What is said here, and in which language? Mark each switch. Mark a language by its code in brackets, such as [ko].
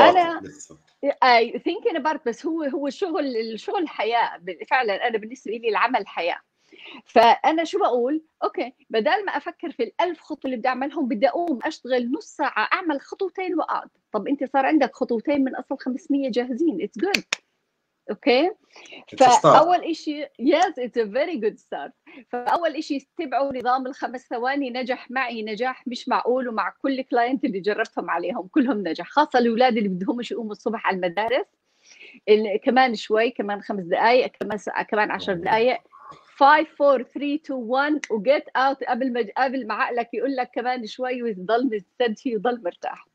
[ar] انا اي [en] thinking about، [ar] بس هو الشغل، الشغل حياة فعلا. انا بالنسبة لي العمل حياة، فأنا شو بقول؟ أوكي بدل ما أفكر في الألف خطوة اللي بدي أعملهم، بدي أقوم أشتغل نص ساعة أعمل خطوتين وأقعد. طب أنت صار عندك خطوتين من أصل 500 جاهزين، [en] it's good. [ar] أوكي فأول إشي [en] yes it's a very good start. [ar] فأول إشي تبعوا نظام الخمس ثواني، نجح معي نجاح مش معقول، ومع كل كلاينت اللي جربتهم عليهم كلهم نجح، خاصة الأولاد اللي بدهم يقوموا الصبح على المدارس، كمان شوي، كمان 5 دقائق، كمان 10 دقائق، 5 4 3 2 1 وجيت اوت قبل ما قبل ما عقلك يقول لك كمان شوي وتضل مستدفي وتضل مرتاح.